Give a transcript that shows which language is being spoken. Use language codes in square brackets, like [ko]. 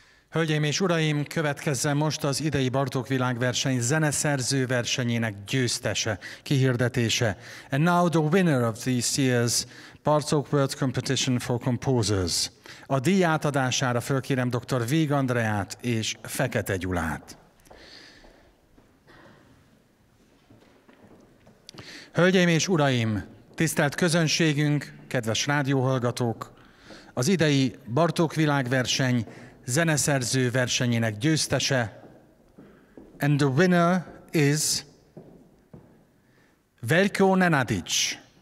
[hu] Hölgyeim és uraim, következzen most az idei Bartók világverseny zeneszerző versenyének győztese, kihirdetése. [en] And now the winner of this year's Bartók World Competition for Composers. [hu] A díj átadására fölkérem dr. Vigh Andreát és Fekete Gyulát. Hölgyeim és uraim, tisztelt közönségünk, kedves rádióhallgatók, az idei Bartók világverseny zeneszerző versenyének győztese, [en] and the winner is [hu] Veljko Nenadić.